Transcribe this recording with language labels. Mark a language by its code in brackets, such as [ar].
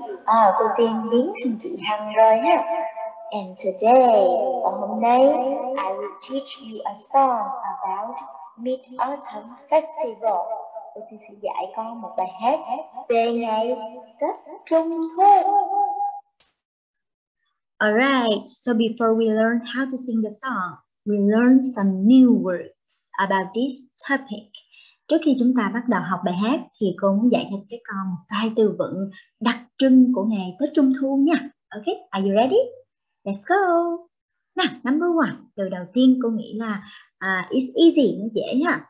[vi] À, cô Tiên biến thành chị Hằng rồi nha. [en] And today, [vi] hôm nay, [en] I will teach you a song about Mid-Autumn Festival. [vi] Cô Tiên sẽ dạy con một bài hát về ngày Tết Trung Thu. [en] Alright, so before we learn how to sing the song, we learn some new words about this topic. [vi] Trước khi chúng ta bắt đầu học bài hát, thì cô muốn dạy cho các con một vài từ vựng đặc trưng của ngày Tết Trung Thu nha. [en] Ok, are you ready? Let's go! Now, number one, [vi] từ đầu tiên cô nghĩ là [en] it's easy, [vi] nó dễ nha.